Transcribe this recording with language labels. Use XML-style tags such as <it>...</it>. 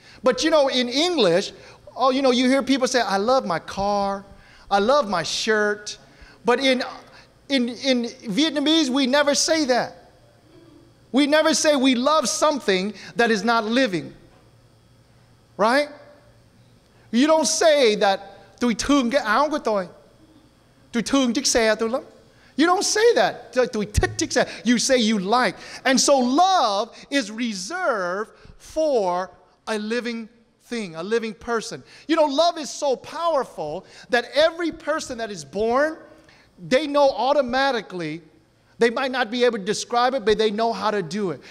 <en>But you know, in English, oh, you know, you hear people say, I love my car, I love my shirt. But in Vietnamese, we never say that. We never say we love something that is not living. Right? You don't say that,</en> <vi>tui thương cái áo của tôi. Tui thương chiếc xe tôi lắm.</vi> <en>You don't say that.</en> <vi>Tui thích chiếc xe.</vi> <en>You say you like. And so love is reserved for a living thing, a living person. You know, love is so powerful that every person that is born, they know automatically, they might not be able to describe it, but they know how to do it.</en>